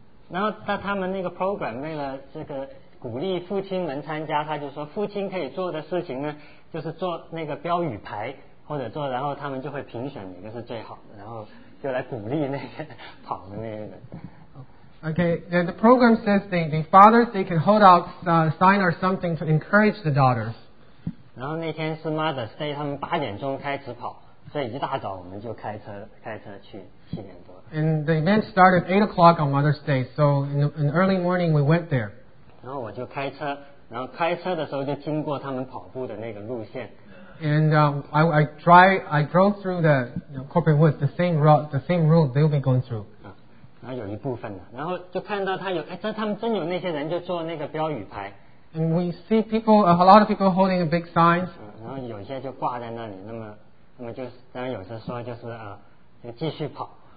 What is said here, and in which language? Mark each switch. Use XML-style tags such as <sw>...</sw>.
<zh>然后他们那个 program 为了这个鼓励父亲们参加，他就说父亲可以做的事情呢，就是做那个标语牌，或者做，然后他们就会评选哪个是最好的，然后就来鼓励那些跑的那些人。</zh> <en>Okay, then the program says the fathers they can hold out a sign or something to encourage the daughters.</en> <zh>然后那天是 Mother's Day, 他们八点钟开始跑，所以一大早我们就开车去七点多。</zh> <en>And the event started at 8 o'clock on Mother's Day, so in early morning we went there.</en> <zh>然后我就开车。然后开车的时候就经过他们跑步的那个路线。</zh> <en>And I drove through the corporate woods, the same route they'll be going through.</en> <zh>然后有一部分的，然后就看到他们真有那些人就做那个标语牌。</zh> <en>And we see people, a lot of people holding a big sign.</en> <zh>然后有些就挂在那里，那么就当然有时说就是啊，就继续跑。</zh>